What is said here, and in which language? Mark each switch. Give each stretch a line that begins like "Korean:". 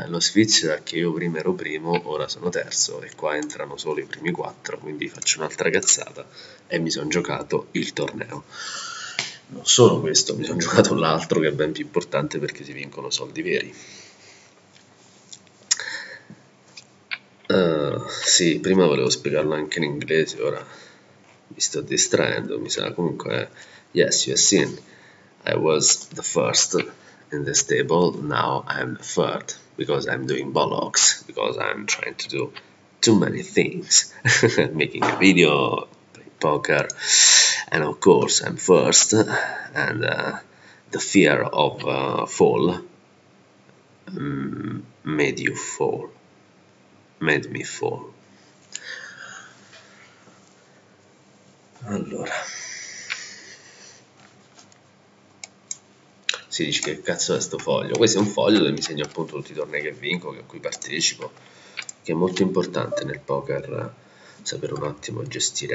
Italian: Lo sfizio è che io prima ero primo, ora sono terzo e qua entrano solo i primi quattro, quindi faccio un'altra cazzata e mi sono giocato il torneo. Non solo questo, mi sono giocato l'altro che è ben più importante perché si vincono soldi veri. Sì, prima volevo spiegarlo anche in inglese, ora mi sto distraendo, mi sa comunque,
English: yes, you have seen, I was the first in this table, now I'm the third because I'm doing bollocks, because I'm trying to do too many things, making a video, play poker, and of course I'm first, and the fear of fall made you fall, made me fall.
Italian: Allora, si dice che cazzo è sto foglio? Questo è un foglio dove mi segno appunto tutti i tornei che vinco, a cui partecipo, che è molto importante nel poker sapere un attimo gestire.